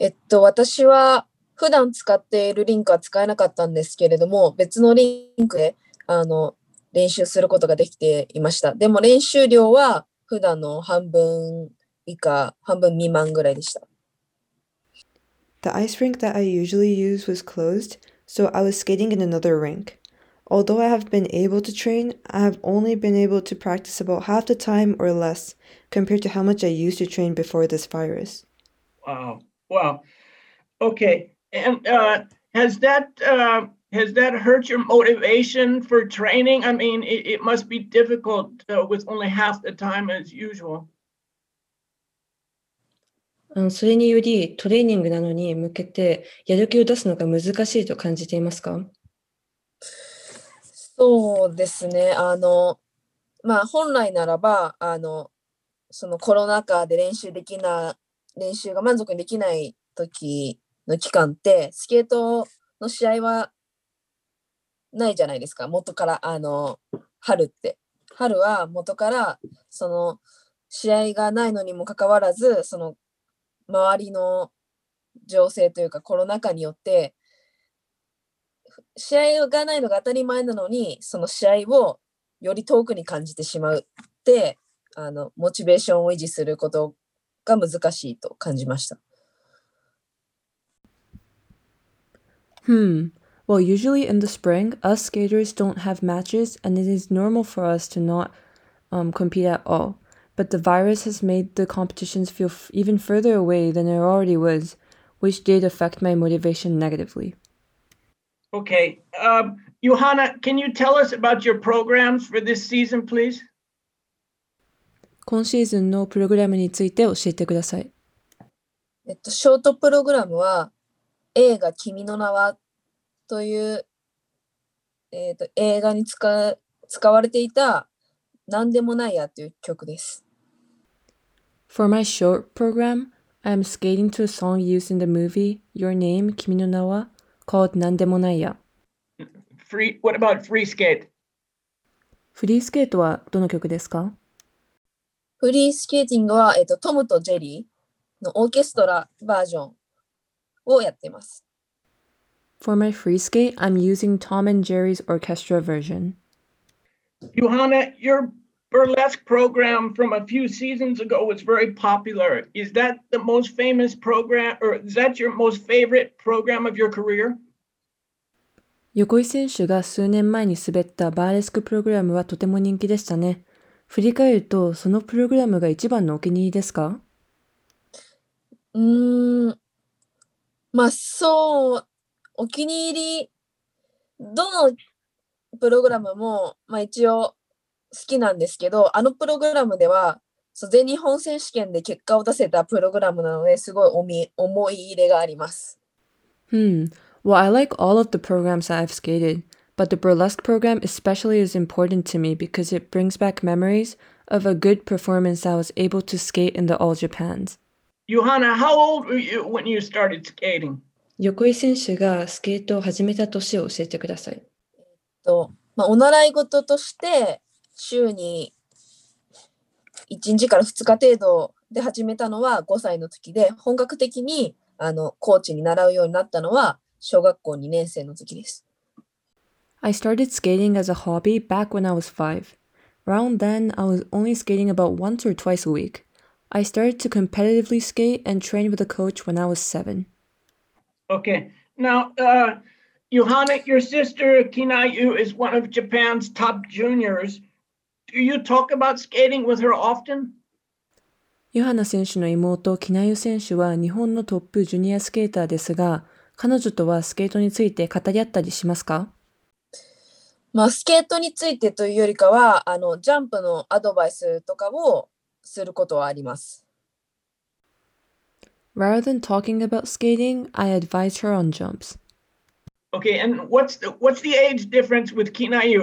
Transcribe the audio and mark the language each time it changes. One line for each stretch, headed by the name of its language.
Japanese: 私は普段使っているリンクは使えなかったんですけれども、別のリンクで練習することができていました。でも練習量は普段の半分以下、半分未満ぐらいでした。
English: The ice rink that I usually use was closed, so I was skating in another rink. Although I have been able to train, I have only been able to practice about half the time or less compared to how much I used to train before this virus. Wow. Okay. And has that hurt your motivation for training? I mean, it must be difficult with only half the time as usual.
Japanese: それによりトレーニングなのに向けてやる気を出すのが難しいと感じていますか？そうですね。まあ、本来ならば、そのコロナ禍で練習が満足にできない時の期間って、スケートの試合はないじゃないですか、元から、春って。春は元から、その試合がないのにもかかわらず、その周りの情勢というか、コロナ禍によって、試合がないのが当たり前なのに、その試合をより遠くに感じてしまうって、モチベーションを維持することが難しいと感じました。
English: Well, usually in the spring, us skaters don't have matches, and it is normal for us to not compete at all. But the virus has made the competitions feel even further away than it already was, which did affect my motivation negatively. Okay. Yohana, can you tell us about your programs for this season, please?
Japanese: 今シーズンのプログラムについて教えてください。ショートプログラムは映画君の名はという、映画に使われていた何でもないやという曲です。
English: For my short program, I am skating to a song used in the movie Your Name, 君の名はCalled なんでもないや。 What about free skate?
Japanese: フリースケートはどの曲ですか？フリースケーティングは、トムとジェリーのオーケストラバージョンをやっています。
English: For my free skate, I'm using Tom and Jerry's orchestra version. Yohana, your burlesque program from a few seasons ago was very popular. Is that the most famous program, or is that your most favorite program of your career?
Japanese: 横井選手が数年前に滑ったバーレスクプログラムはとても人気でしたね。振り返ると、そのプログラムが一番のお気に入りですか？まあそう、お気に入り、どのプログラムも、まあ、一応好きなんですけど、あのプログラムでは、全日本選手権で結果を出せたプログラムなので、すごい思い入れがあります。
English: Well, I like all of the programs that I've skated, but the burlesque program especially is important to me because it brings back memories of a good performance I was able to skate in the All Japans. Yohana, how old were you when you started skating?
Japanese: 横井選手がスケートを始めた年を教えてください。まあ、お習い事として週に1日から2日程度で始めたのは5歳の時で、本格的にコーチに習うようになったのは小学校2年生の時です。
English: I started skating as a hobby back when I was five. Around then, I was only skating about once or twice a week. I started to competitively skate and train with a coach when I was 7. Okay. Now, Yuhana, your sister Kinayu is one of Japan's top juniors. Do you talk about skating with her often?
Japanese: Yuhana 選手の妹 Kinayu 選手は日本のトップジュニアスケーターですが、彼女とはスケートについて語り合ったりしますか？まあ、スケートについてというよりかは、ジャンプのアドバイスとかをすることはあります。
English: Rather than talking about skating, I advise her on jumps. Okay, and what's the age difference with Kinayu?